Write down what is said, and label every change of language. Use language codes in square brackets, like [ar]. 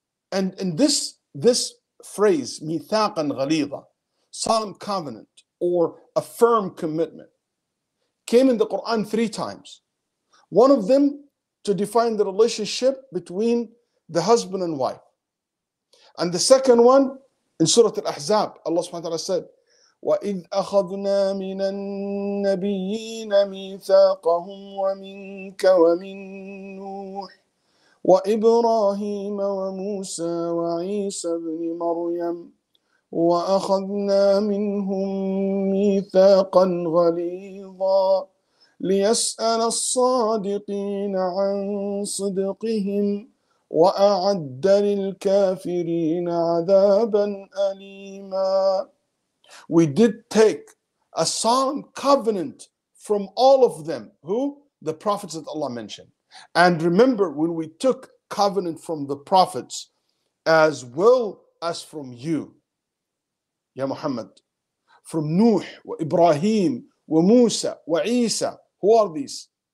[en] And this phrase, مِيثَاقًا غَلِيظًا, solemn covenant or a firm commitment, came in the Quran three times. One of them to define the relationship between the husband and wife. And the second one in Surah Al-Ahzab, Allah subhanahu wa ta'ala said, [ar] وَإِذْ أَخَذْنَا مِنَ النَّبِيِّينَ مِيثَاقَهُمْ وَمِنْكَ وَمِنْ نُوحٍ وَإِبْرَاهِيمَ وَمُوسَى وَعِيسَى بْنِ مَرْيَمْ وَأَخَذْنَا مِنْهُمْ مِيثَاقًا غَلِيظًا لِيَسْأَلَ الصَّادِقِينَ عَنْ صِدْقِهِمْ وَأَعَدَّ لِلْكَافِرِينَ عَذَابًا أَلِيمًا. [en] We did take a solemn covenant from all of them, who? The prophets that Allah mentioned. And remember, when we took covenant from the prophets as well as from you, Ya Muhammad, from Nuh, wa Ibrahim, wa Musa, wa Isa, who are these?